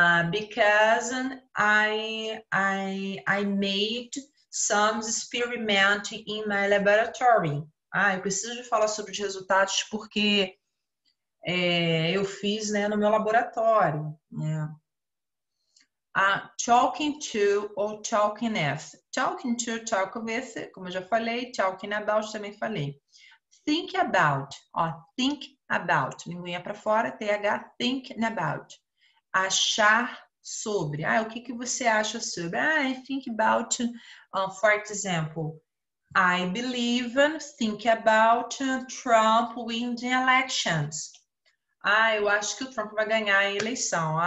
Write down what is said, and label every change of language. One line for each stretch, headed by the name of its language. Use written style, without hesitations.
English: Because I made some experiment in my laboratory.
Portuguese: Ah, eu preciso de falar sobre os resultados porque eu fiz, né, no meu laboratório.
English: Yeah. Talking to ou talking with. Talking to, talk with,
Portuguese: como eu já falei.
English: Talking about,
Portuguese: também falei.
English: Think about.
Portuguese: Ó,
English: think about.
Portuguese: Linguinha para fora, TH, think about. Achar sobre. Ah, o que, que você acha sobre?
English: Ah, I think about, for example, I believe and think about Trump winning the elections.
Portuguese: Ah, eu acho que o Trump vai ganhar a eleição.